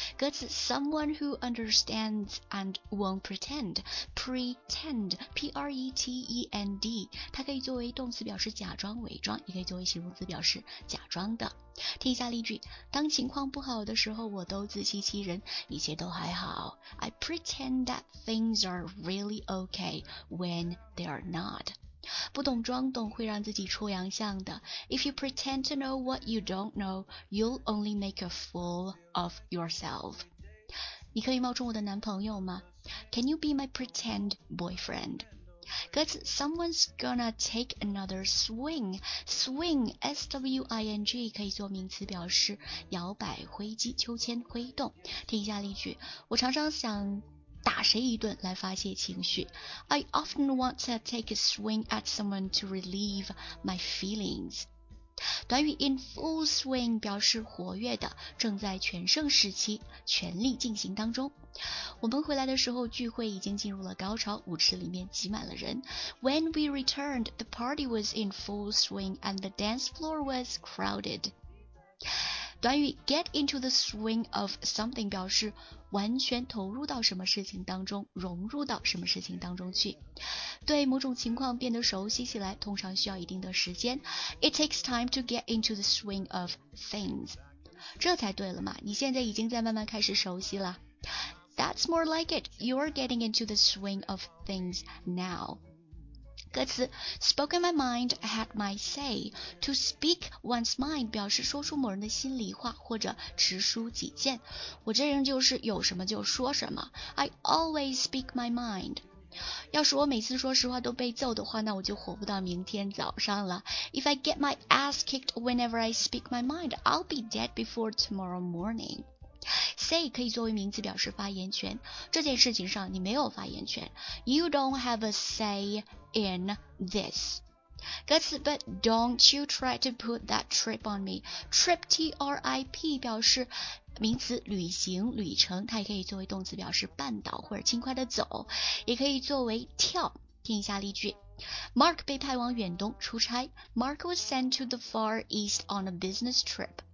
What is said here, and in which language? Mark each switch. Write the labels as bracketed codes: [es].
[en] 歌词 Someone who understands and won't pretend. Pretend, P-R-E-T-E-N-D. [zh] 它可以作为动词表示假装、伪装，也可以作为形容词表示假装的。听一下例句，当情况不好的时候，我都自欺欺人，一切都还好。 [en] I pretend that things are really okay when they are not. [zh] 不懂装懂会让自己出洋相的。 [en] If you pretend to know what you don't know, you'll only make a fool of yourself. [zh] 你可以冒充我的男朋友吗？ [en] Can you be my pretend boyfriend? 歌词 Someone's gonna take another swing. [zh] Swing, S-W-I-N-G, 可以做名词表示摇摆、挥击、秋千、挥动。听一下例句，我常常想打谁一顿来发泄情绪。 [en] I often want to take a swing at someone to relieve my feelings. [zh] 短语 [en] in full swing [zh] 表示活跃的，正在全盛时期，全力进行当中。我们回来的时候，聚会已经进入了高潮，舞池里面挤满了人。 [en] When we returned, the party was in full swing and the dance floor was crowded. [zh] 短语 [en] get into the swing of something [zh] 表示完全投入到什么事情当中，融入到什么事情当中去。对某种情况变得熟悉起来，通常需要一定的时间。 [en] It takes time to get into the swing of things. [zh] 这才对了嘛，你现在已经在慢慢开始熟悉了。 [en] That's more like it. You're getting into the swing of things now. 歌词 Spoken my mind, had my say. To speak one's mind [zh] 表示说出某人的心里话或者直抒己见。我这人就是有什么就说什么。 [en] I always speak my mind. [zh] 要是我每次说实话都被揍的话，那我就活不到明天早上了。 [en] If I get my ass kicked whenever I speak my mind, I'll be dead before tomorrow morning. [zh] Say 可以作为名词表示发言权，这件事情上你没有发言权。 [en] You don't have a say in this. 歌词 But don't you try to put that trip on me. [zh] Trip, T-R-I-P 表示名词旅行、旅程，它也可以作为动词表示绊倒或者轻快的走，也可以作为跳。听一下例句， Mark 被派往远东出差。 [en] Mark was sent to the far east on a business trip.